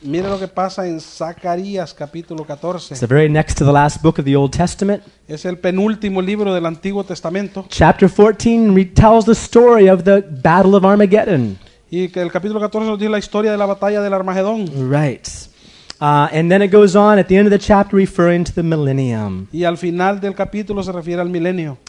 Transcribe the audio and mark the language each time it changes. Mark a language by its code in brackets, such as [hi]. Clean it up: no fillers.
[es] Mire lo que pasa en Zacarías capítulo 14. [en] It's the very next to the last book of the Old Testament. [es] Es el penúltimo libro del Antiguo Testamento. [en] Chapter 14 retells the story of the Battle of Armageddon. [es] Y que el capítulo 14 nos dice la historia de la batalla del Armagedón. [en] Right. And then it goes on at the end of the chapter referring to the millennium. [es] Y al final del capítulo se refiere al milenio.